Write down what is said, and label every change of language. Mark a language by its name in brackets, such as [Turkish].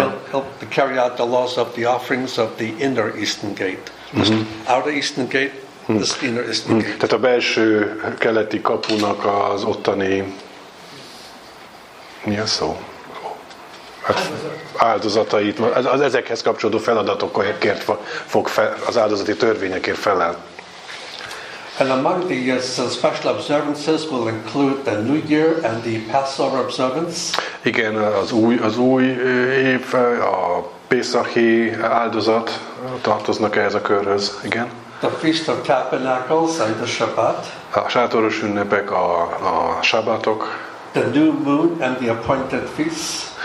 [English] help to carry out the laws of the offerings of the inner eastern gate. Mm-hmm. Outer eastern gate, this inner eastern gate. [Hungarian] Tehát a belső keleti kapunak az ottani Milyen szó? Hát áldozatait, az ezekhez kapcsolódó feladatokért fog fel, az áldozati törvényekért felel. [English] And among the special observances will include the New Year and the Passover observance. [Hungarian] Igen, az új év, a pészachi áldozat tartoznak ehhez a körhöz, igen. [English] The Feast of Tabernacles and the Shabbat. [Hungarian] A sátoros ünnepek, a sabbatok. [English] The New Moon and the Appointed Feasts.